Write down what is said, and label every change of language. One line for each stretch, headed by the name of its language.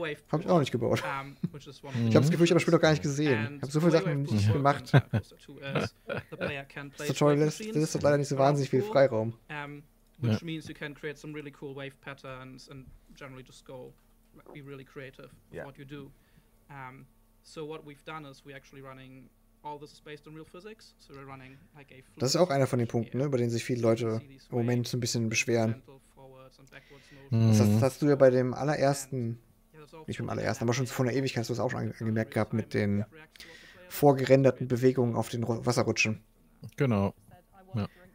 German: Hab ich auch nicht gebaut. Ich habe das Gefühl, ich habe das Spiel noch gar nicht gesehen. Ich habe so viele Sachen nicht gemacht. Das Tutorial lässt doch leider nicht so wahnsinnig viel Freiraum.
English: Which means you can create some really cool wave patterns and generally just go be really creative with what you do. So what we've done is we're actually running all this is based on real physics. So we're running like a fluid.
German: Das ist auch einer von den Punkten, ne, über den sich viele Leute im Moment so ein bisschen beschweren. Das hast du ja bei dem allerersten, nicht beim allerersten, aber schon vor einer Ewigkeit hast du es auch schon angemerkt gehabt mit den vorgerenderten Bewegungen auf den Wasserrutschen. Genau. Ja.